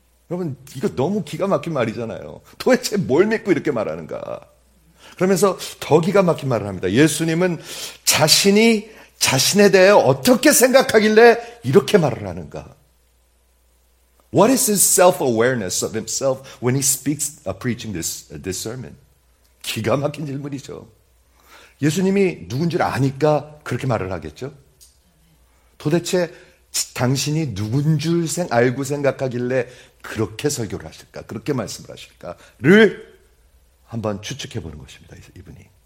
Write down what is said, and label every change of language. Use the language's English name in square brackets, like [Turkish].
[Korean] 여러분, 이거 너무 기가 막힌 말이잖아요. 도대체 뭘 믿고 이렇게 말하는가? 그러면서 더 기가 막힌 말을 합니다. 예수님은 자신이 자신에 대해 어떻게 생각하길래 이렇게 말을 하는가? [English] What is his self-awareness of himself when he speaks, preaching this sermon? [Korean] 기가 막힌 질문이죠. 예수님이 누군 줄 아니까 그렇게 말을 하겠죠? 도대체 당신이 누군 줄 알고 생각하길래 그렇게 설교를 하실까? 그렇게 말씀을 하실까?를 한번 추측해 보는 것입니다, 이분이.